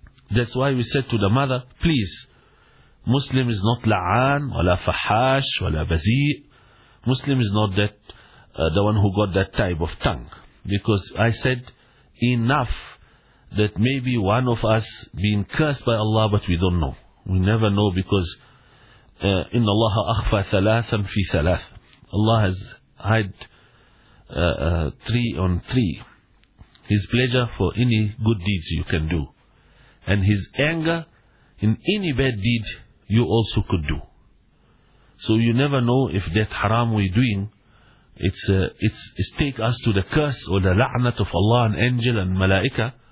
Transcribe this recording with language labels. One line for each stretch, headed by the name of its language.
English: That's why we said to the mother, please, Muslim is not
Arabic: la'an, wala fahash, wala bazi.
English: Muslim is not that the one who got that type of tongue. Because I said enough that maybe one of us being cursed by Allah, but we don't know. We never know, because
Arabic: إن الله أخفى ثلاثا في ثلاث.
English: Allah has hid three on three. His pleasure for any good deeds you can do, and His anger in any bad deed you also could do. So you never know if that haram we're doing, it's take us to the curse or the la'nat of Allah and angel and malaika.